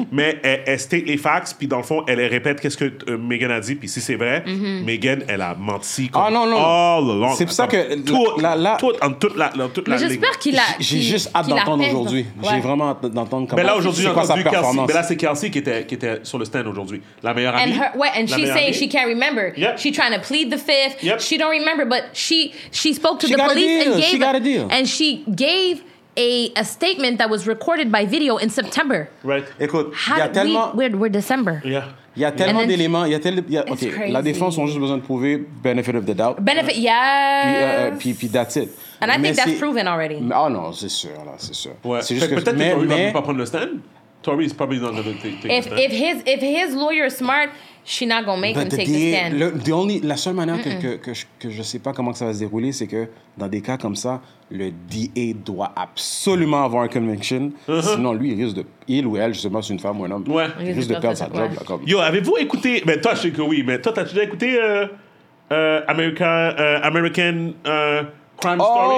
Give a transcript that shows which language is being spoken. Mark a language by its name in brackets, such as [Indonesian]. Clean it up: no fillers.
[French] Mais elle state les facts, puis dans le fond, elle répète qu'est-ce que Megan a dit, puis si c'est vrai, Megan, elle a menti. Comme, oh non, non. All along. C'est pour ça que. Dans toute la ligne. J'espère qu'il a. J'ai juste hâte d'entendre aujourd'hui. Ouais. J'ai vraiment hâte d'entendre comment. Mais là, aujourd'hui, j'ai entendu Kelsey. Mais là, c'est Kelsey qui était sur le stand aujourd'hui. La meilleure amie. Ouais, [English] and she's saying she can't remember. She's trying to plead the fifth. She don't remember, but she spoke to the police. And she gave a statement that was recorded by video in September. Right. [French] Écoute, il y a tellement [English] we're December. Yeah. [French] Il y a tellement d'éléments, OK, crazy. La défense ont juste besoin de prouver [English] benefit of the doubt. Benefit, yeah. [French] Puis [English] that's it. And [French] mais [English] I think that's proven already. [French] Oh non, c'est sûr là, c'est sûr. Ouais. C'est juste peut-être que peut-être pas prendre le stand. [English] Tory is probably not going to take the stand. If his lawyer is smart, she's not going to make him take the stand. [French] La seule manière que je ne sais pas comment ça va se dérouler, c'est que dans des cas comme ça, le DA doit absolument avoir une conviction. Uh-huh. Sinon, lui, il ou elle, je ne sais pas si c'est une femme ou un homme, ouais. Il risque de perdre sa job. Là, comme. Yo, avez-vous écouté... Mais toi, je sais que oui, mais toi, t'as déjà écouté American Crime Story?